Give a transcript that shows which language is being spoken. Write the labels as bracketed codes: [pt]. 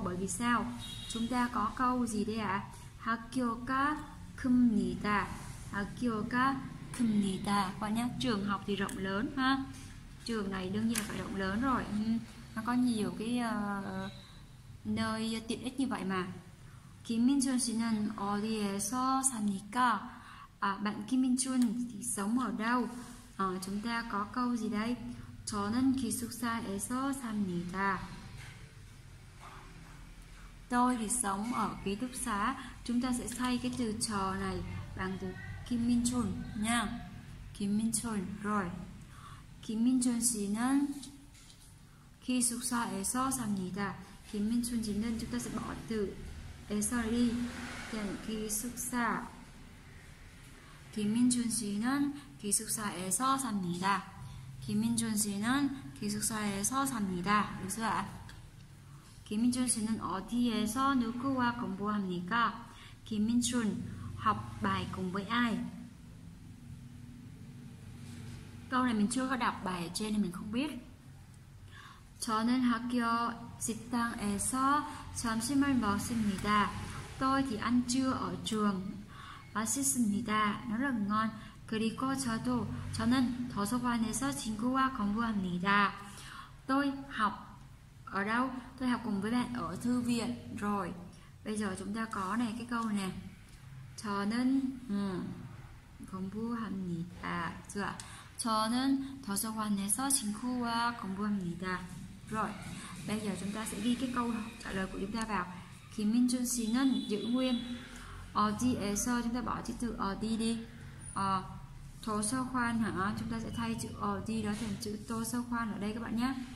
[vi] Bởi vì sao? Chúng ta có câu gì đây ạ? [ko] 학교가 큽니다. 학교가 큽니다. [vi] Các nhé, trường học thì rộng lớn ha. Trường này đương nhiên là phải rộng lớn rồi. Nó có nhiều cái nơi tiện ích như vậy mà. [ko] 김민준 씨는 어디에서 삽니까? [vi] Bạn Kiminchun thì sống ở đâu? Chúng ta có câu gì đây? [ko] 저는 기숙사에서 삽니다. [vi] Tôi thì sống ở ký túc xá. Chúng ta sẽ thay cái từ 저 này bằng từ Kiminchun nha. Kiminchun rồi. [ko] 김민준 씨는 기숙사에서 삽니다. 김민준 씨는 [vi] chúng ta sẽ bỏ từ 에서 đi. [ko] 기숙사. 김민준 씨는 기숙사에서 삽니다. 김민준 씨는 기숙사에서 삽니다. 무슨 말? 김민준 씨는 어디에서 누구와 공부합니까? [vi] 김민준 học bài cùng với ai? Câu này mình chưa có đọc bài ở trên nên mình không biết. [ko] 저는 학교 식당에서 점심을 먹습니다. [vi] Tôi thì ăn trưa ở trường. [ko] 맛있습니다. [vi] Nó rất ngon. [ko] 그리고 저도 저는 도서관에서 친구와 공부합니다. [vi] Tôi học ở đâu? Tôi học cùng với bạn ở thư viện. Rồi, bây giờ chúng ta có này cái câu này. [ko] 저는 공부합니다. 좋아. 저는 도서관에서 친구와 공부합니다. [vi] Rồi, bây giờ chúng ta sẽ ghi cái câu trả lời của chúng ta vào. [ko] 김민준 씨는 [vi] giữ nguyên. [ko] 어디에서 [vi] chúng ta bỏ chữ từ 어디 đi. [ko] 도서관 hả? [vi] Chúng ta sẽ thay chữ 어디 đó thành chữ 도서관 ở đây các bạn nhé.